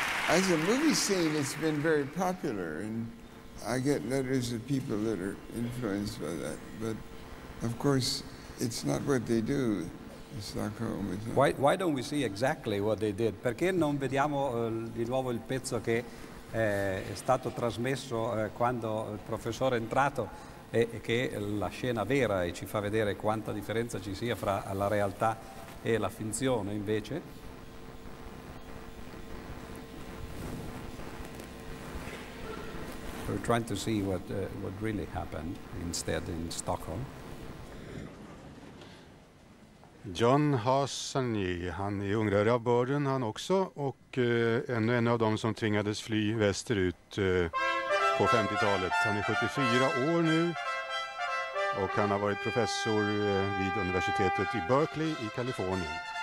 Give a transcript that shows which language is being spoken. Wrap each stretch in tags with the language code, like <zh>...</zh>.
<en>As a movie scene, it's been very popular, and I get letters of people that are influenced by that. But of course, it's not what they do. Stockholm. Why don't we see exactly what they did?</en> <it>Perché non vediamo di nuovo il pezzo che è stato trasmesso quando il professore è entrato e che la scena vera e ci fa vedere quanta differenza ci sia fra la realtà e la finzione invece.</it> <en>We're trying to see what really happened instead in Stockholm.</en> <sv>John Hassani, han är ungrare av börden han också och ännu en av dem som tvingades fly västerut på 50-talet. Han är 74 år nu och han har varit professor vid universitetet i Berkeley i Kalifornien.</sv>